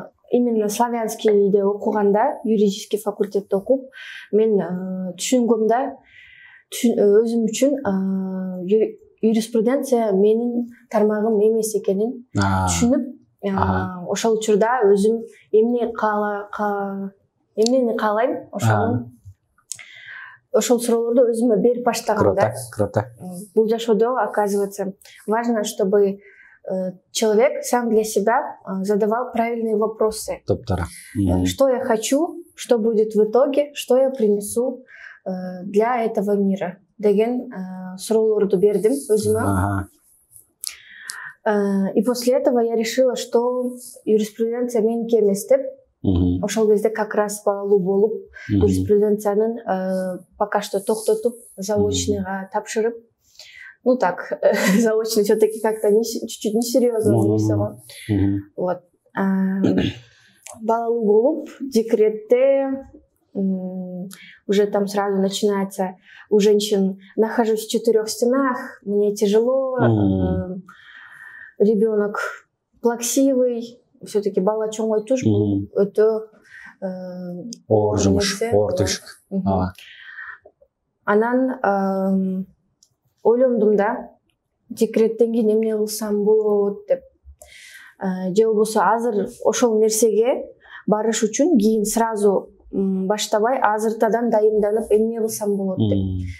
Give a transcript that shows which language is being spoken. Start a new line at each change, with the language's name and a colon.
Kyrgyz: Именно славянскийде окуганда, юридический факультетте окуп, мен түшүнгөм да, өзүм үчүн юриспруденция менин тармагым эмес экенин түшүнүп, ошол учурда өзүм эмнени каалайм, ошол суроолорду өзүмө берип баштагам да.
Russian: Круто.
Kyrgyz: Бул жашоодо,
Russian: оказывается, важно, чтобы человек сам для себя задавал правильные вопросы. Топ-тара. Что я хочу, что будет в итоге, что я принесу для этого мира
Kyrgyz: деген суроолорду бердим өзүмө.
Russian: И после этого я решила, что юриспруденция
Kyrgyz: меники эмес деп. Ошол кезде
Russian: как раз
Kyrgyz: балалуу болуп, юриспруденциянын
Russian: пока что
Kyrgyz: токтотуп, заочныйга тапшырып.
Russian: Ну так, заочный все-таки как-то чуть-чуть несерьезно. Вот.
Kyrgyz: Балалуу болуп, декретте
Russian: уже там сразу начинается у женщин: нахожусь в четырех стенах, мне тяжело, ребенок плаксивый,
Kyrgyz: все-таки бала чоңой туш,
Russian: это
Kyrgyz: оор жумуш, оор туш. Анан ойлондум да, декреттен кийин эмне кылсам болот деп, же болбосо азыр ошол нерсеге барыш үчүн кийин сразу баштабай азыртадан дайындалып эмне кылсам болот деп.